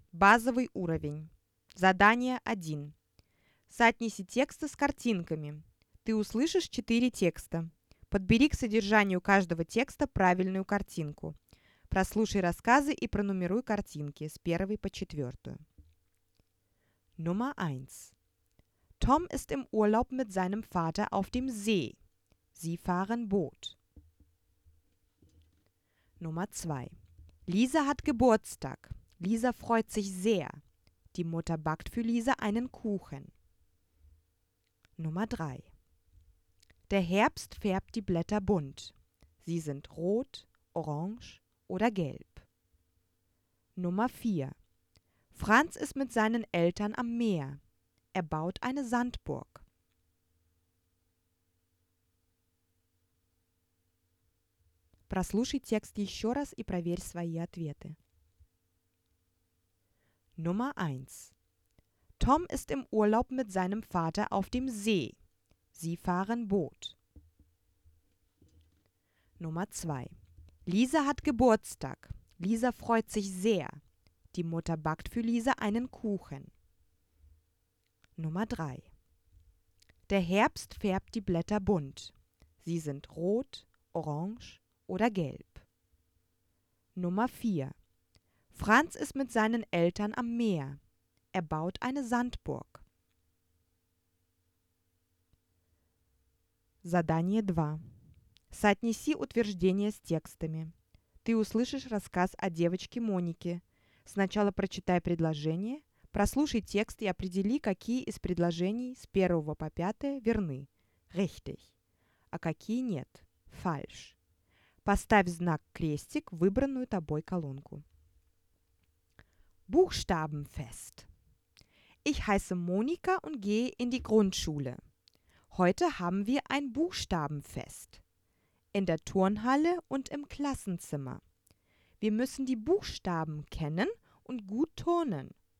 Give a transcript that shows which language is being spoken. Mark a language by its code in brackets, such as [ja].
[ru] Базовый уровень. Задание 1. Соотнеси тексты с картинками. Ты услышишь 4 текста. Подбери к содержанию каждого текста правильную картинку. Прослушай рассказы и пронумеруй картинки с 1 по 4. [de] Nummer 1. Tom ist im Urlaub mit seinem Vater auf dem See. Sie fahren Boot. Nummer 2. Lisa hat Geburtstag. Lisa freut sich sehr. Die Mutter backt für Lisa einen Kuchen. Nummer 3. Der Herbst färbt die Blätter bunt. Sie sind rot, orange oder gelb. Nummer 4. Franz ist mit seinen Eltern am Meer. Er baut eine Sandburg. [ru] Прослушай текст еще раз и проверь свои ответы. [de] Nummer 1. Tom ist im Urlaub mit seinem Vater auf dem See. Sie fahren Boot. Nummer 2. Lisa hat Geburtstag. Lisa freut sich sehr. Die Mutter backt für Lisa einen Kuchen. Nummer 3. Der Herbst färbt die Blätter bunt. Sie sind rot, orange oder gelb. Nummer 4. Franz ist mit seinen Eltern am Meer. Er baut eine Sandburg. [ru] Задание 2. Соотнеси утверждения с текстами. Ты услышишь рассказ о девочке Монике. Сначала прочитай предложение, прослушай текст и определи, какие из предложений с 1 по 5 верны. Richtig. А какие нет. Falsch. Поставь знак крестик в выбранную тобой колонку. [de] Buchstabenfest. Ich heiße Monika und gehe in die Grundschule. Heute haben wir ein Buchstabenfest. In der Turnhalle und im Klassenzimmer. Wir müssen die Buchstaben kennen und gut turnen.